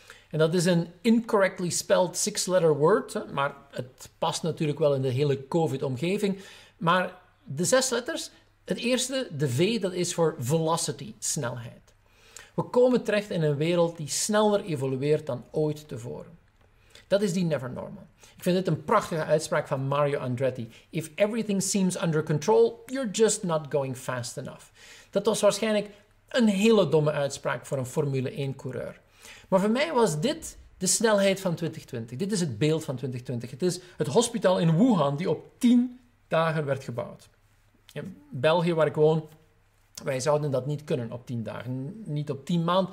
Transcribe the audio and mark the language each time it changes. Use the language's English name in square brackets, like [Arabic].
[Dutch] En dat is een [English] incorrectly spelled six-letter word, [Dutch] maar het past natuurlijk wel in de hele COVID-omgeving. Maar de zes letters, het eerste, de V, dat is voor velocity, snelheid. We komen terecht in een wereld die sneller evolueert dan ooit tevoren. Dat is die never normal. Ik vind dit een prachtige uitspraak van Mario Andretti. [English] If everything seems under control, you're just not going fast enough. [Dutch] Dat was waarschijnlijk een hele domme uitspraak voor een Formule 1 coureur. Maar voor mij was dit de snelheid van 2020. Dit is het beeld van 2020. Het is het hospitaal in Wuhan die op 10 dagen werd gebouwd. In België, waar ik woon, wij zouden dat niet kunnen op 10 dagen. Niet op 10 maanden.